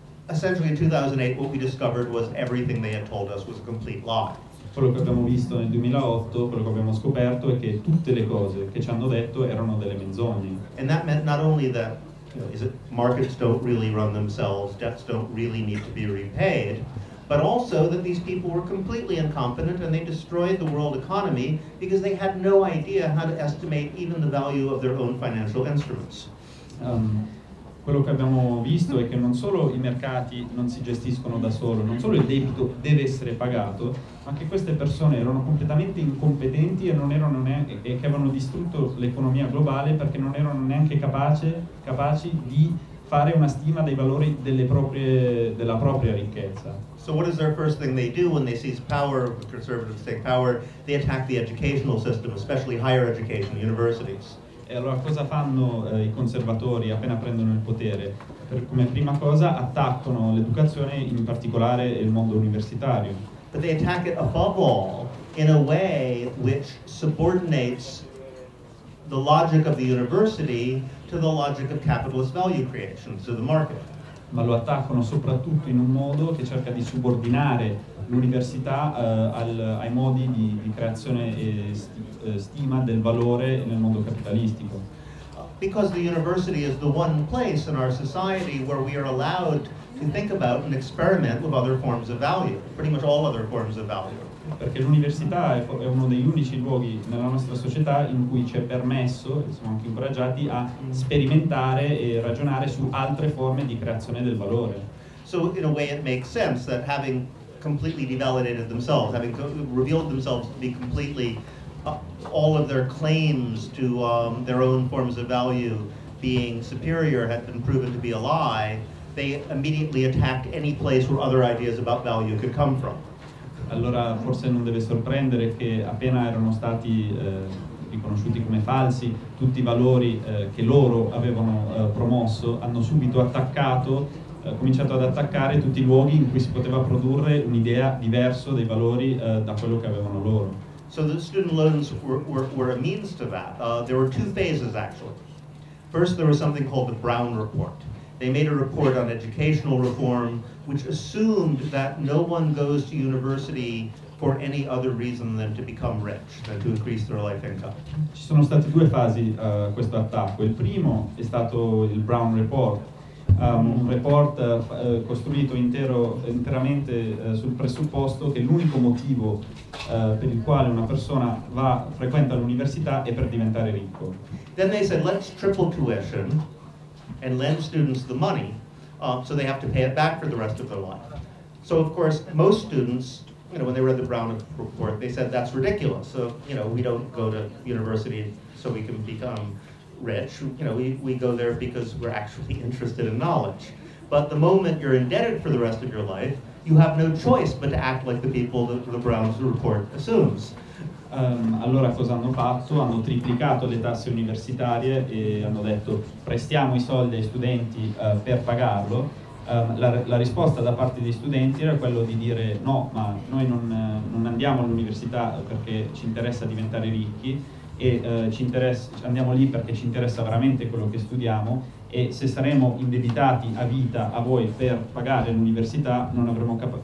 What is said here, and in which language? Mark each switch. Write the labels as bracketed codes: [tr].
[en] Essentially in 2008 what we discovered was everything they had told us was a complete lie. [it] Quello che abbiamo visto nel 2008, quello che abbiamo scoperto è che tutte le cose che ci hanno detto erano delle menzogne. [en] And that meant not only that markets don't really run themselves, debts don't really need to be repaid, but also that these people were completely incompetent and they destroyed the world economy because they had no idea how to estimate even the value of their own financial instruments. [it] quello che abbiamo visto è che non solo i mercati non si gestiscono da solo, non solo il debito deve essere pagato, ma che queste persone erano completamente incompetenti e non erano neanche, e che avevano distrutto l'economia globale perché non erano neanche capaci di fare una stima dei valori delle proprie, della propria ricchezza. [en] So what is their first thing they do when they seize power, the conservatives take power? They attack the educational system, especially higher education, universities. [it] E allora cosa fanno i conservatori appena prendono il potere? Per, come prima cosa attaccano l'educazione, in particolare il mondo universitario. [en] But they attack it above all in a way which subordinates the logic of the university to the logic of capitalist value creation, to the market. [it] Ma lo attaccano soprattutto in un modo che cerca di subordinare l'università ai modi di creazione e stima del valore nel mondo capitalistico. [en] Because the university is the one place in our society where we are allowed to think about and experiment with other forms of value, pretty much all other forms of value. [it] Perché l'università è uno degli unici luoghi nella nostra società in cui ci è permesso, siamo anche incoraggiati, a sperimentare e ragionare su altre forme di creazione del valore. [en] So in a way it makes sense that having completely devalidated themselves, having revealed themselves to be completely, all of their claims to their own forms of value being superior had been proven to be a lie, they immediately attacked any place where other ideas about value could come from. [it] Allora forse non deve sorprendere che appena erano stati riconosciuti come falsi tutti i valori che loro avevano promosso, hanno subito attaccato, cominciato ad attaccare tutti i luoghi in cui si poteva produrre un'idea diversa dei valori da quello che avevano loro. [en] So the student loans were a means to that. There were two phases actually. First there was something called the Brown Report. They made a report on educational reform which assumed that no one goes to university for any other reason than to become rich, than to increase their life income. [it] Ci sono state due fasi a questo attacco. Il primo è stato il Brown Report, un report costruito interamente sul presupposto che l'unico motivo per il quale una persona frequenta l'università è per diventare ricco. [en] Then they said, let's triple tuition and lend students the money so they have to pay it back for the rest of their life. So of course, most students, you know, when they read the Brown Report, they said that's ridiculous. So, you know, we don't go to university so we can become rich. You know, we go there because we're actually interested in knowledge. But the moment you're indebted for the rest of your life, you have no choice but to act like the people that the Brown Report assumes. [it] Allora cosa hanno fatto? Hanno triplicato le tasse universitarie e hanno detto prestiamo i soldi ai studenti per pagarlo. La risposta da parte dei studenti era quello di dire no, ma noi non andiamo all'università perché ci interessa diventare ricchi e andiamo lì perché ci interessa veramente quello che studiamo e se saremo indebitati a vita a voi per pagare l'università non avremo